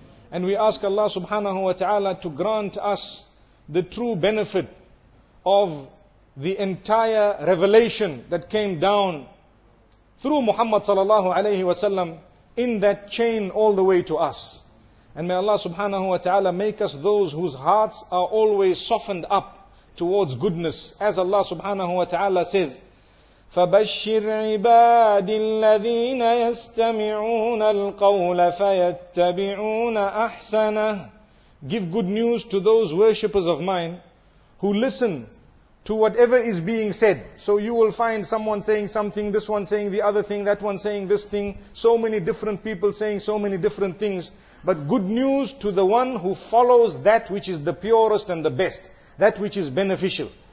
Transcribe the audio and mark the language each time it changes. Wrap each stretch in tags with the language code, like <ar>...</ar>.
<en>And we ask Allah subhanahu wa ta'ala to grant us the true benefit of the entire revelation that came down through Muhammad sallallahu alayhi wa sallam in that chain all the way to us. And may Allah subhanahu wa ta'ala make us those whose hearts are always softened up towards goodness. As Allah subhanahu wa ta'ala says,</en> <ar>فَبَشِّرْ عِبَادِ الَّذِينَ يَسْتَمِعُونَ الْقَوْلَ فَيَتَّبِعُونَ أَحْسَنَهُ.</ar> <en>Give good news to those worshippers of mine who listen to whatever is being said. So you will find someone saying something, this one saying the other thing, that one saying this thing, so many different people saying so many different things. But good news to the one who follows that which is the purest and the best, that which is beneficial.</en>